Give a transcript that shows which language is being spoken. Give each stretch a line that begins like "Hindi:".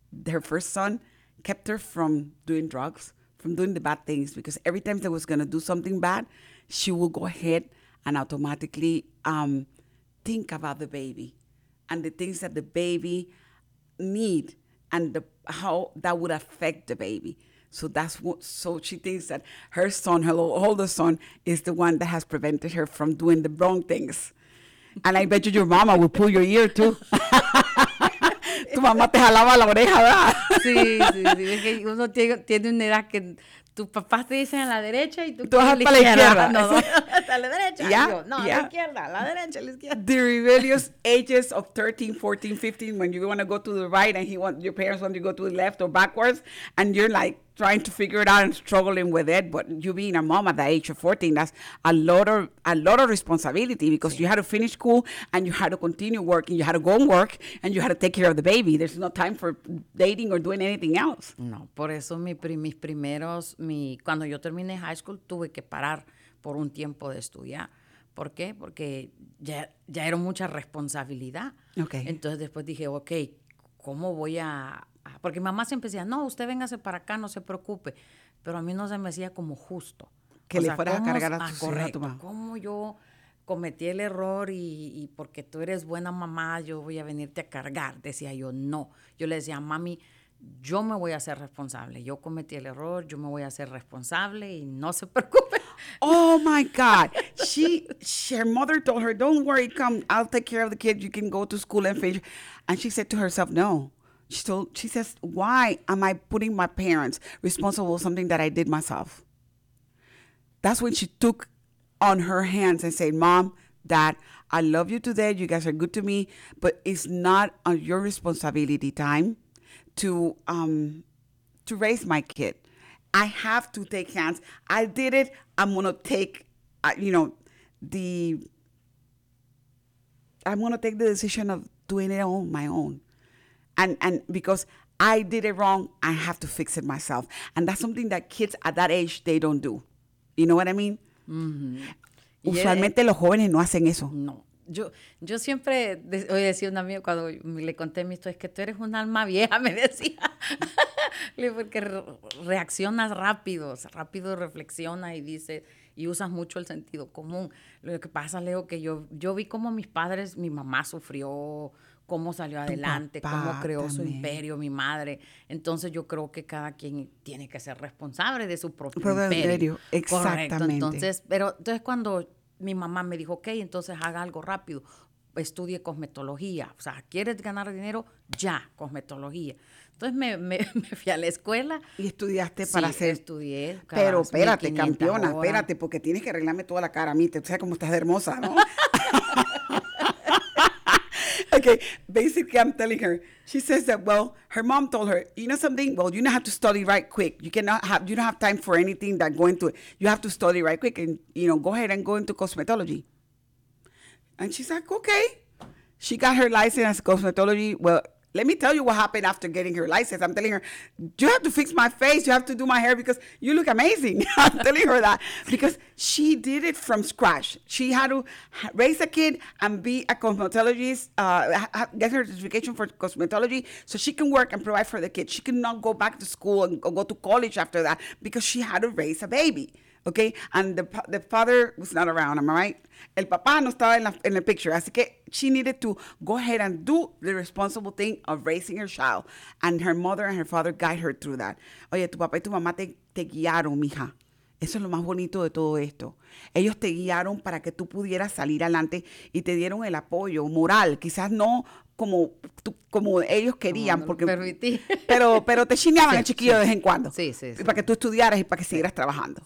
English: Her first son kept her from doing drugs, from doing the bad things, because every time they was going to do something bad, she would go ahead and automatically think about the baby and the things that the baby need and how that would affect the baby. So that's what, so she thinks that her son, her older son, is the one that has prevented her from doing the wrong things. And I bet you your mama will pull your ear too.
Spanish: Tu mamá te jalaba la oreja, ¿verdad? Sí, sí, sí. Es que uno tiene una edad que tus papás te dicen a la derecha y tú vas a la izquierda. No, a la derecha.
English: Yeah,
Spanish: a la izquierda, a la derecha, a la izquierda.
English: The rebellious ages of 13, 14, 15, when you want to go to the right and your parents want you to go to the left or backwards, and you're like trying to figure it out and struggling with it, but you being a mom at the age of 14, that's a lot of responsibility, because you had to finish school and you had to continue working, you had to go and work, and you had to take care of the baby. There's no time for dating or doing anything else.
Spanish: No, por eso cuando yo terminé high school, tuve que parar por un tiempo de estudiar. ¿Por qué? Porque ya era mucha responsabilidad.
English: Okay.
Spanish: Entonces después dije, ok, ¿cómo voy a...? Porque mi mamá siempre decía, no, usted véngase para acá, no se preocupe. Pero a mí no se me hacía como justo. Que o le sea, fueras a cargar a tu, correcto, a tu mamá. ¿Cómo yo cometí el error y porque tú eres buena mamá, yo voy a venirte a cargar? Decía yo, no. Yo le decía, mami, yo me voy a hacer responsable. Yo cometí el error, yo me voy a hacer responsable y no se preocupe.
English: Oh, my God. Her mother told her, don't worry, come, I'll take care of the kid. You can go to school and finish. And she said to herself, no. She says, why am I putting my parents responsible for something that I did myself? That's when she took on her hands and said, Mom, Dad, I love you today. You guys are good to me. But it's not on your responsibility time to raise my kid. I have to take hands. I did it. I'm going to take, I'm going to take the decision of doing it on my own. And because I did it wrong, I have to fix it myself. And that's something that kids at that age, they don't do. You know what I mean? Mm-hmm.
Spanish: Usualmente los jóvenes no hacen eso. No. Yo siempre, oye, decía un amigo cuando le conté mi historia, es que tú eres un alma vieja, me decía. Porque reaccionas rápido, rápido reflexiona y dice, y usas mucho el sentido común. Lo que pasa, Leo, que yo vi cómo mis padres, mi mamá sufrió, cómo salió adelante, cómo creó también su imperio, mi madre. Entonces yo creo que cada quien tiene que ser responsable de su propio imperio. Exactamente. Correcto. Entonces cuando mi mamá me dijo, ok, entonces haga algo rápido, estudie cosmetología. O sea, ¿quieres ganar dinero? Ya, cosmetología. Entonces me fui a la escuela. ¿Y estudiaste para hacer? Sí, estudié. Pero espérate, campeona, espérate, porque tienes que arreglarme toda la cara a mí. O sea, como estás de hermosa, ¿no?
English: Okay, basically, I'm telling her, she says that, well, her mom told her, you know something? Well, you don't have to study right quick. You don't have time for anything that go into it. You have to study right quick and, you know, go ahead and go into cosmetology. And she's like, okay. She got her license as cosmetology. Well, let me tell you what happened after getting her license. I'm telling her, you have to fix my face. You have to do my hair because you look amazing. I'm telling her that because she did it from scratch. She had to raise a kid and be a cosmetologist, get her certification for cosmetology so she can work and provide for the kid. She could not go back to school and go to college after that because she had to raise a baby. Okay, and the father was not around, am I right?
Spanish: El papá no estaba en la
English: picture.
Spanish: Así que
English: she needed to go ahead and do the responsible thing of raising her child. And her mother and her father guide her through that.
Spanish: Oye, tu papá y tu mamá te guiaron, mija. Eso es lo más bonito de todo esto. Ellos te guiaron para que tú pudieras salir adelante y te dieron el apoyo moral. Quizás no como ellos querían. No, no, porque permití. Pero te chineaban, sí, el chiquillo, sí, de vez en cuando. Sí, sí, sí. Para que tú estudiaras y para que siguieras trabajando.